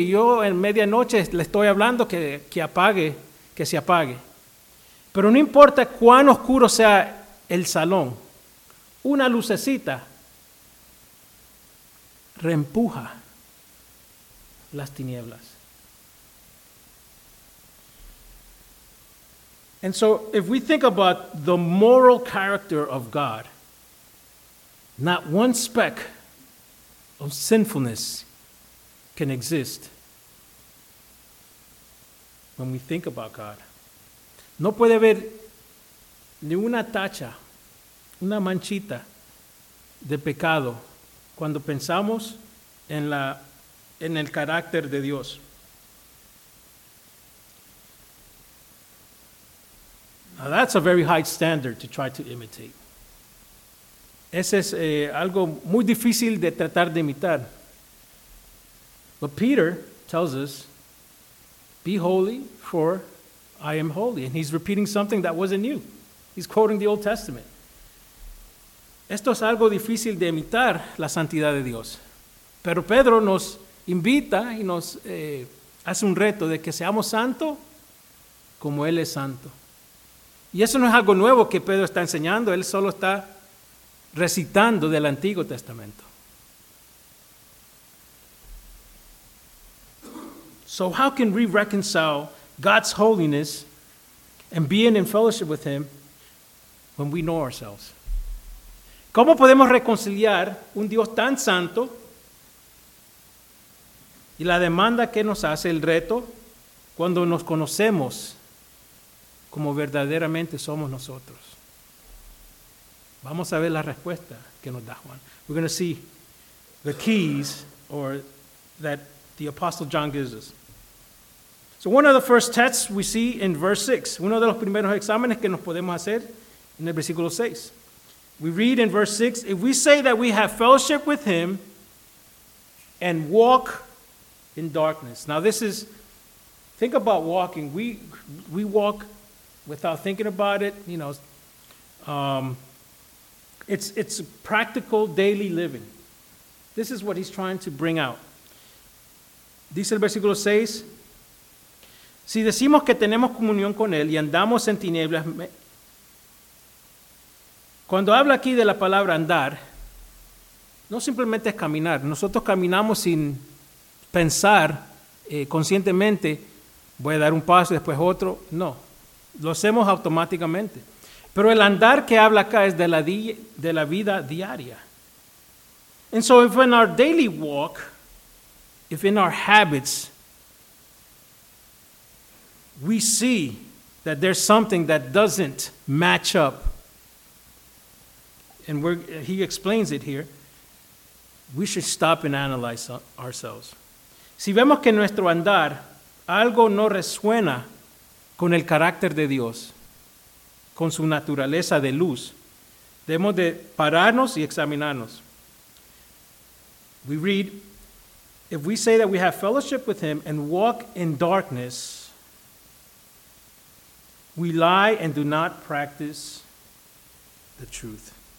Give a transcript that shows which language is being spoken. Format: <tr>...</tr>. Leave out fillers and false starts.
<es>Y yo en medianoche le estoy hablando que se apague. Pero no importa cuán oscuro sea el salón, una lucecita reempuja las tinieblas.</es> <en>And so, if we think about the moral character of God, not one speck of sinfulness can exist when we think about God.</en> <es>No puede haber ni una tacha, una manchita de pecado cuando pensamos en el carácter de Dios.</es> <en>Now that's a very high standard to try to imitate.</en> <es>Ese es algo muy difícil de tratar de imitar.</es> <en>But Peter tells us, be holy for I am holy. And he's repeating something that wasn't new. He's quoting the Old Testament.</en> <es>Esto es algo difícil de imitar, la santidad de Dios. Pero Pedro nos invita y nos hace un reto de que seamos santos como Él es santo. Y eso no es algo nuevo que Pedro está enseñando. Él solo está recitando del Antiguo Testamento.</es> <en>So how can we reconcile God's holiness and being in fellowship with Him when we know ourselves?</en> <es>¿Cómo podemos reconciliar un Dios tan santo y la demanda que nos hace el reto cuando nos conocemos como verdaderamente somos nosotros? Vamos a ver la respuesta que nos da Juan.</es> <en>We're going to see the keys or that the Apostle John gives us. So one of the first tests we see in verse 6.</en> <es>Uno de los primeros exámenes que nos podemos hacer en el versículo 6.</es> <en>We read in verse 6, if we say that we have fellowship with him and walk in darkness. Now this is, think about walking. We walk without thinking about it. You know, it's practical daily living. This is what he's trying to bring out.</en> <es>Dice el versículo 6, si decimos que tenemos comunión con Él y andamos en tinieblas, cuando habla aquí de la palabra andar, no simplemente es caminar. Nosotros caminamos sin pensar conscientemente, voy a dar un paso y después otro. No, lo hacemos automáticamente. Pero el andar que habla acá es de la vida diaria.</es> <en>And so if in our daily walk, if in our habits, we see that there's something that doesn't match up, and he explains it here, we should stop and analyze ourselves.</en> <es>Si vemos que en nuestro andar algo no resuena con el carácter de Dios, con su naturaleza de luz, debemos de pararnos y examinarnos.</es> <en>We read, if we say that we have fellowship with him and walk in darkness, we lie and do not practice the truth.</en>